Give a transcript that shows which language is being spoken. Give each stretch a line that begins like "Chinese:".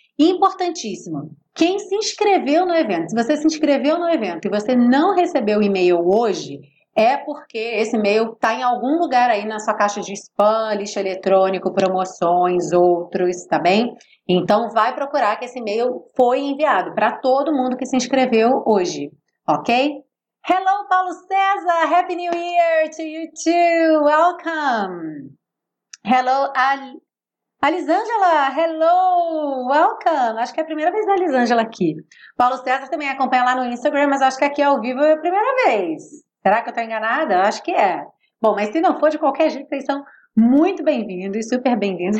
Portuguese: Importantíssimo. Quem se inscreveu no evento, se você se inscreveu no evento e você não recebeu o e-mail hoje, é porque esse e-mail está em algum lugar aí na sua caixa de spam, lixo eletrônico, promoções, outros, tá bem? Então, vai procurar que esse e-mail foi enviado para todo mundo que se inscreveu hoje, ok?
English: Hello, Paulo César! Happy New Year to you too! Welcome! Hello,
Portuguese: Alisângela,
English: hello, welcome,
Portuguese: acho que é a primeira vez da Alisângela aqui. Paulo César também acompanha lá no Instagram, mas acho que aqui ao vivo é a primeira vez. Será que eu tô enganada? Acho que é. Bom, mas se não for, de qualquer jeito, vocês são muito bem-vindos, super bem-vindos.